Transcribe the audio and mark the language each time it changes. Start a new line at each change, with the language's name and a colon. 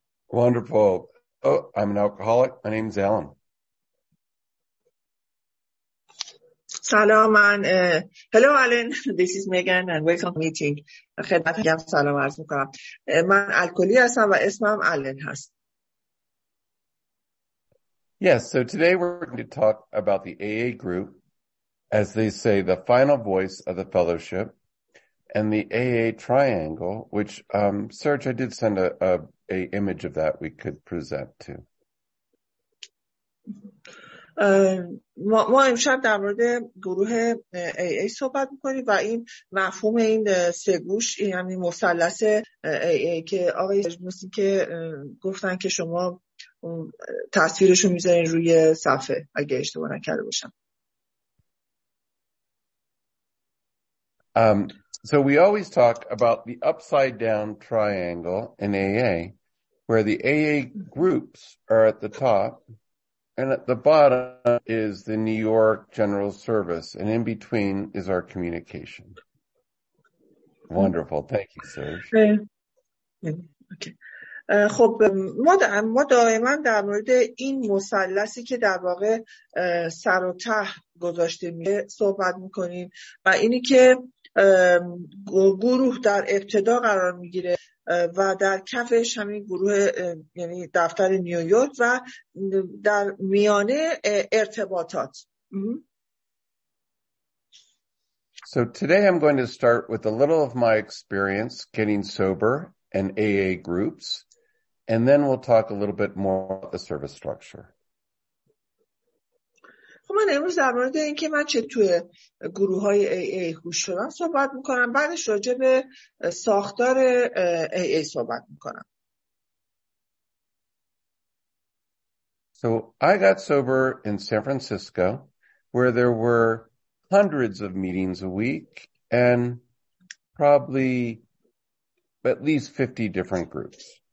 English: Wonderful. Oh, I'm an alcoholic. My name is Alan.
Persian: سلام من
English: Hello Alan, this is Megan and welcome meeting.
Persian: خدمت میگم سلام عرض میکنم. من الکلی هستم و اسمم آلن هست.
English: Yes, so today we're going to talk about the AA group, as they say, the final voice of the fellowship, and the AA triangle, which Serge, I did send a image of that we could present to.
Persian: ما امشب در مورد گروه AA صحبت میکنیم و این مفهوم این سه گوش، یعنی مثلث AA که آقای مسی که گفتن که شما تصویرشو میذارین روی صفحه اگه اشتباه نکرده باشم.
English: So we always talk about the upside down triangle in AA where the AA groups are at the top. And at the bottom is the New York General Service. And in between is our communication. Wonderful. Thank you, Serge.
Persian: خب ما دائما در مورد این مثلثی که در واقع سر و ته گذاشته میشه صحبت میکنیم و اینی که گروه در ابتدا قرار میگیره و در کفش همین گروه یعنی دفتر نیویورک و در میانه ارتباطات.
English: So today I'm going to start with a little of my experience getting sober and AA groups. And then we'll talk a little bit more about the service structure.
Persian: خب من امروز در مورد این که من چه توی گروه های AA هوش شدم صحبت میکنم. بعدش راجع به ساختار AA صحبت میکنم.
English: So I got sober in San Francisco where there were hundreds of meetings a week and probably at least 50 different groups.